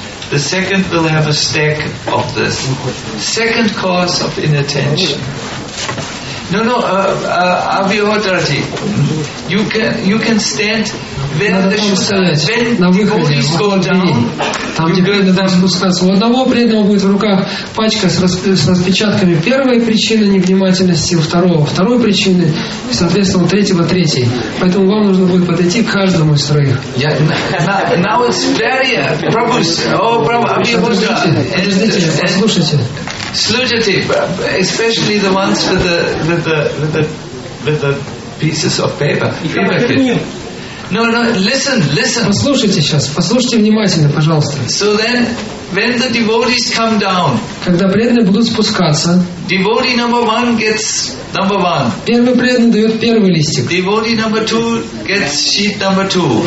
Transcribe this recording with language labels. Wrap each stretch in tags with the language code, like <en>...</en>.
<en>The second will have a stack of the second cause of inattention. No, Abhihodrati, you can stand where the shoes are. When the bodies go down,</en> <ru>там, где преданные должны спускаться. У одного преданного будет в руках пачка с распечатками первой причины невнимательности, у второго второй причины, и, соответственно, у третьего третьей. Поэтому вам нужно будет подойти к каждому из троих.</ru> <en>Now it's very...</en> <ru>Подождите, послушайте. Слушайте,</ru> <en>especially the ones with the pieces of paper. No, listen.</en> <ru>Послушайте сейчас, послушайте внимательно, пожалуйста.</ru> <en>So then, when the devotees come down,</en> <ru>когда преданные будут спускаться,</ru> <en>devotee number one gets number one.</en> <ru>Первый преданный дает первый листик.</ru> <en>Devotee number two gets sheet number two.</en>